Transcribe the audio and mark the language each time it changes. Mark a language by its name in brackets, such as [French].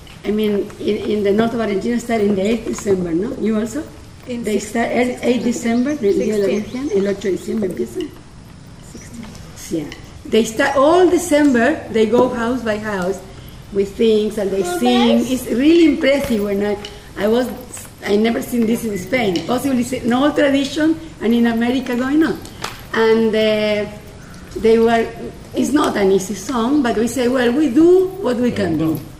[English] I mean, in the north of Argentina, start in the 8th December, no? You also? In they 16, start 8th 16, December, 16. [Spanish] The Día de la Virgen, el 8 de diciembre empieza. [English] 16. Yeah. They start all December, they go house by house with things and they sing. Best. It's really impressive when I never seen this in Spain. Possibly it's an old tradition and in America going on. And they were, it's not an easy song, but we say, well, we do what we can do.